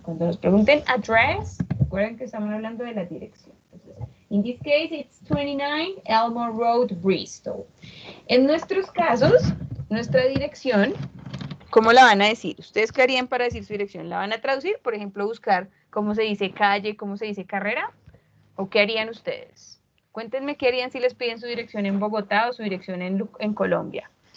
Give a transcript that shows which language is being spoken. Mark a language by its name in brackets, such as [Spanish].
[Spanish] Cuando nos pregunten address, recuerden que estamos hablando de la dirección. [English] Entonces, in this case, it's 29 Elmore Road, Bristol. [Spanish] En nuestros casos, nuestra dirección, ¿cómo la van a decir? ¿Ustedes qué harían para decir su dirección? ¿La van a traducir? Por ejemplo, buscar cómo se dice calle, cómo se dice carrera. ¿O qué harían ustedes? Cuéntenme qué harían si les piden su dirección en Bogotá o su dirección en Colombia.